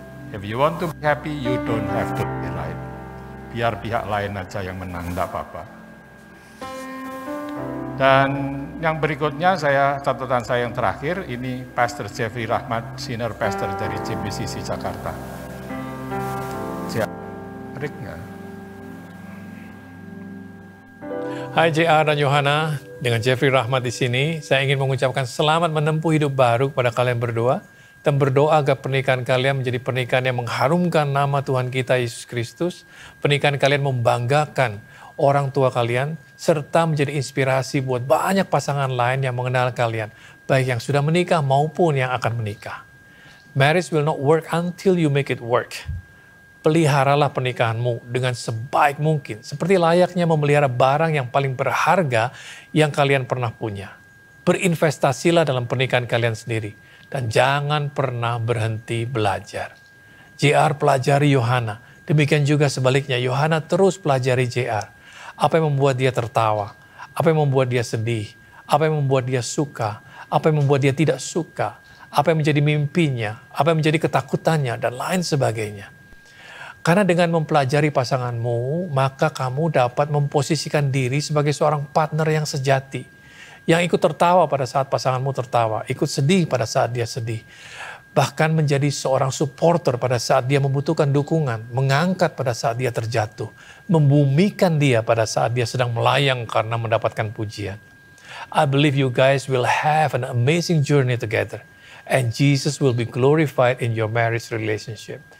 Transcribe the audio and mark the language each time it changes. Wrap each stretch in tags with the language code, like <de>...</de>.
<en>If you want to be happy, you don't have to be right.</en> <id>Biar pihak lain aja yang menang, enggak apa-apa. Dan yang berikutnya, saya catatan saya yang terakhir, ini Pastor Jeffrey Rahmat, Senior Pastor dari JBCC Jakarta. Rick, enggak? Hai JR dan Johanna. Dengan Jeffrey Rahmat di sini, saya ingin mengucapkan selamat menempuh hidup baru kepada kalian berdua dan berdoa agar pernikahan kalian menjadi pernikahan yang mengharumkan nama Tuhan kita, Yesus Kristus. Pernikahan kalian membanggakan orang tua kalian, serta menjadi inspirasi buat banyak pasangan lain yang mengenal kalian, baik yang sudah menikah maupun yang akan menikah.</id> <en>Marriage will not work until you make it work.</en> <id>Peliharalah pernikahanmu dengan sebaik mungkin, seperti layaknya memelihara barang yang paling berharga yang kalian pernah punya. Berinvestasilah dalam pernikahan kalian sendiri, dan jangan pernah berhenti belajar. JR pelajari Yohana, demikian juga sebaliknya, Yohana terus pelajari JR. Apa yang membuat dia tertawa, apa yang membuat dia sedih, apa yang membuat dia suka, apa yang membuat dia tidak suka, apa yang menjadi mimpinya, apa yang menjadi ketakutannya, dan lain sebagainya. Karena dengan mempelajari pasanganmu, maka kamu dapat memposisikan diri sebagai seorang partner yang sejati. Yang ikut tertawa pada saat pasanganmu tertawa, ikut sedih pada saat dia sedih. Bahkan menjadi seorang supporter pada saat dia membutuhkan dukungan, mengangkat pada saat dia terjatuh, membumikan dia pada saat dia sedang melayang karena mendapatkan pujian.</id> <en>I believe you guys will have an amazing journey together, and Jesus will be glorified in your marriage relationship.</en>